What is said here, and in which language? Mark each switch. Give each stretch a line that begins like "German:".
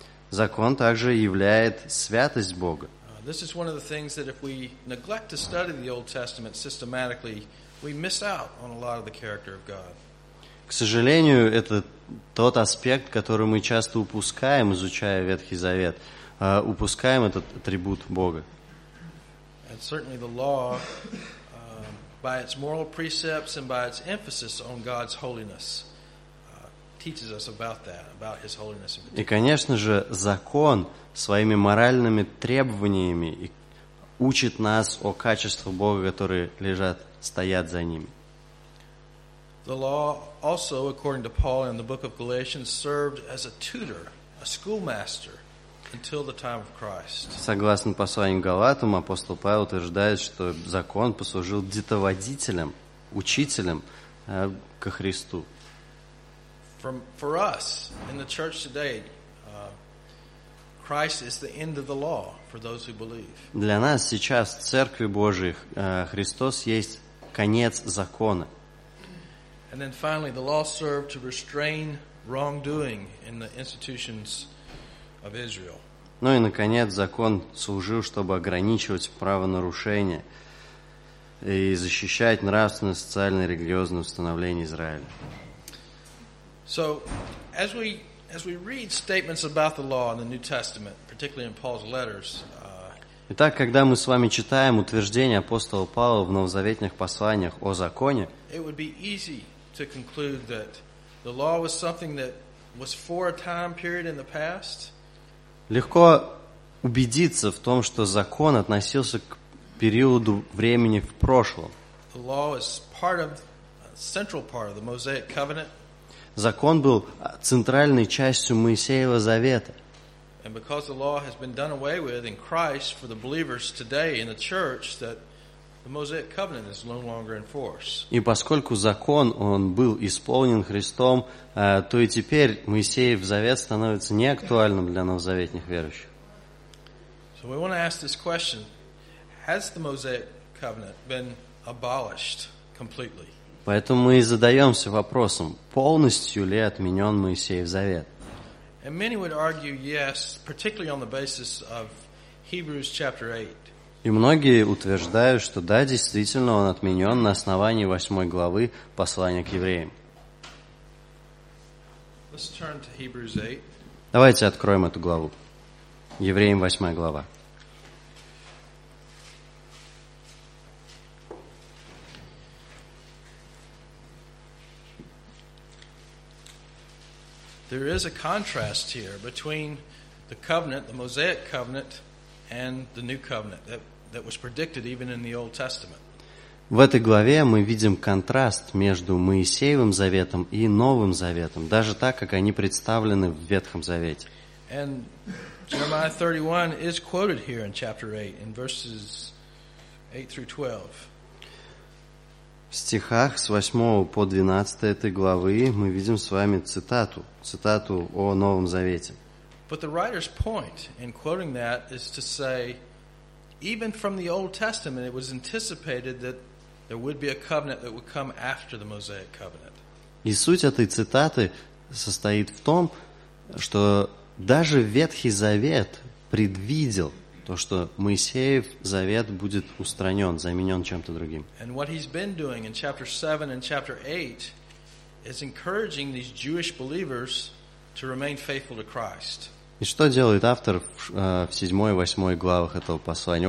Russian: Закон также являет святость Бога.
English: This is one of the things that if we neglect to study the Old Testament systematically, we miss out on a lot of the character of God.
Russian: К сожалению, это тот аспект, который мы часто упускаем, изучая Ветхий Завет, упускаем этот атрибут Бога.
English: And certainly the law, by its moral precepts and by its emphasis on God's holiness, teaches us about that, about His holiness.
Russian: И, конечно же, закон своими моральными требованиями и учит нас о качествах Бога, которые лежат, стоят за ними.
English: The law also, according to Paul in the book of Galatians, served as a tutor, a schoolmaster, until the time of Christ.
Russian: Согласно посланию Галатам, апостол Павел утверждает, что закон послужил детоводителем, учителем ко Христу.
English: For us in the church today, Christ is the end of the law for those who believe.
Russian: Для нас сейчас в церкви Божьей Христос есть конец закона.
English: And then finally, the law served to restrain wrongdoing in the institutions of Israel.
Russian: Ну и наконец закон служил, чтобы ограничивать правонарушения и защищать нравственное, социальное, религиозное установление Израиля.
English: So, as we read statements about the law in the New Testament, particularly in Paul's letters.
Russian: Итак, когда мы с вами читаем утверждения апостола Павла в новозаветных посланиях о законе,
English: it would be easy to conclude that the law was something that was for a time period in the past.
Russian: Легко убедиться в том, что закон относился к периоду времени в прошлом.
English: The law is part of a central part of the Mosaic covenant.
Russian: Закон был центральной частью Моисеева Завета.
English: And because the law has been done away with in Christ for the believers today in the church, that the Mosaic covenant is no longer in force.
Russian: И поскольку закон он был исполнен Христом, то и теперь Моисеев Завет становится неактуальным для новозаветных верующих.
English: So we want to ask this question: has the Mosaic covenant been abolished completely?
Russian: Поэтому мы и задаемся вопросом, полностью ли отменен Моисеев Завет.
English: And many would argue yes, particularly on the basis of Hebrews chapter 8.
Russian: И многие утверждают, что да, действительно, он отменен на основании 8 главы послания к евреям.
English: Let's turn to Hebrews 8.
Russian: Давайте откроем эту главу. Евреям 8 глава.
English: There is a contrast here between the covenant, the Mosaic covenant, and the new covenant that was predicted even in the Old Testament.
Russian: В этой главе мы видим контраст между Моисеевым Заветом и Новым Заветом, даже так, как они представлены в Ветхом Завете.
English: And Jeremiah 31 is quoted here in chapter 8, in verses 8 through 12.
Russian: В стихах с 8 по 12 этой главы мы видим с вами цитату о Новом Завете.
English: But the writer's point in quoting that is to say, even from the Old Testament, it was anticipated that there would be a covenant that would come after the Mosaic covenant.
Russian: И суть этой цитаты состоит в том, что даже Ветхий Завет предвидел то, что Моисеев Завет будет устранен, заменен чем-то другим.
English: And what he's been doing in chapter 7 and chapter 8 is encouraging these Jewish believers to remain faithful to Christ.
Russian: И что делает автор в 7 и 8 главах этого послания?